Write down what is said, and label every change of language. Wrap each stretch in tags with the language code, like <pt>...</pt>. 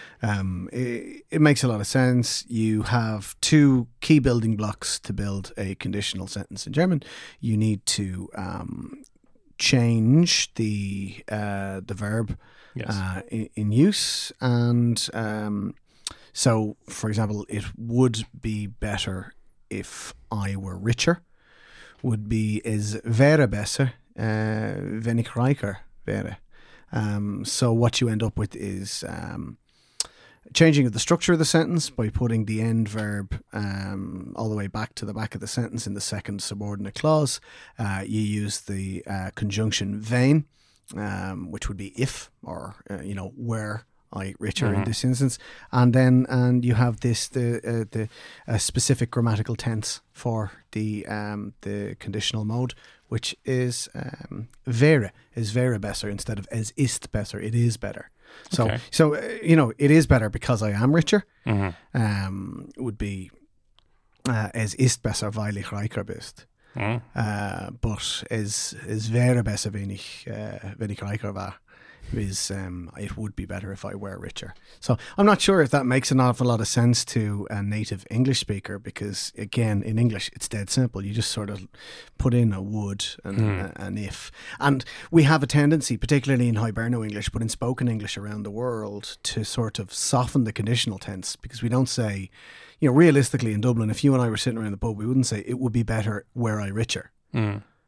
<en>It makes a lot of sense. You have two key building blocks to build a conditional sentence in German. You need to change the verb in use. And so, for example, it would be better if I were richer. Would be is</en> <de>wäre besser, wenn ich reicher wäre.</de> <en>So what you end up with is changing of the structure of the sentence by putting the end verb all the way back to the back of the sentence in the second subordinate clause. You use the conjunction wenn, which would be if, or were I richer in this instance, and you have this the specific grammatical tense for the conditional mode, which is wäre, is</en> <de>wäre besser</de> <en>instead of</en> <de>es ist besser,</de> <en>it is better. So it is better because I am richer. Mm-hmm. Would be</en> <de>es ist besser weil ich reicher bist.</de> <en>But</en> <de>es wäre besser wenn ich reicher war.</de> <en>Is it would be better if I were richer. So I'm not sure if that makes an awful lot of sense to a native English speaker, because again, in English, it's dead simple. You just sort of put in a would and an if. And we have a tendency, particularly in Hiberno English, but in spoken English around the world, to sort of soften the conditional tense, because we don't say, realistically in Dublin, if you and I were sitting around the pub, we wouldn't say it would be better were I richer. Mm.</en>